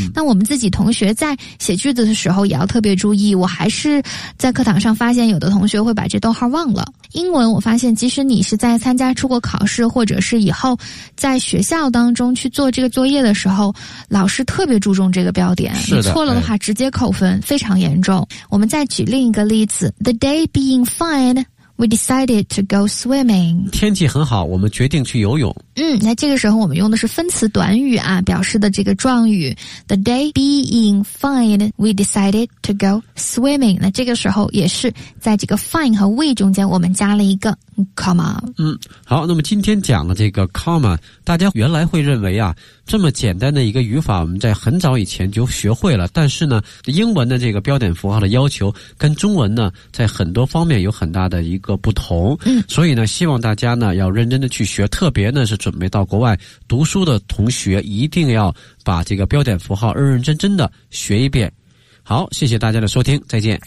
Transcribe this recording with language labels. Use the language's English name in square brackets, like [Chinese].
[Chinese] 那我们自己同学在写句子的时候也要特别注意，我还是在课堂上发现有的同学会把这逗号忘了。英文我发现即使你是在参加出国考试，或者是以后在学校当中去做这个作业的时候，老师特别注重这个标点，是的，你错了的话、哎、直接扣分，非常严重。我们再举另一个例子， [English] The day being fine, we decided to go swimming. [Chinese] 天气很好，我们决定去游泳。嗯，那这个时候我们用的是分词短语啊，表示的这个状语。 [English] The day being fine, we decided to go swimming. [Chinese] 那这个时候也是在这个 fine 和 we 中间我们加了一个 comma。嗯，好，那么今天讲了这个 comma, 大家原来会认为啊，这么简单的一个语法我们在很早以前就学会了，但是呢英文的这个标点符号的要求跟中文呢在很多方面有很大的一个不同，所以呢希望大家呢要认真的去学，特别呢是准备到国外读书的同学一定要把这个标点符号认认真真的学一遍。好，谢谢大家的收听，再见，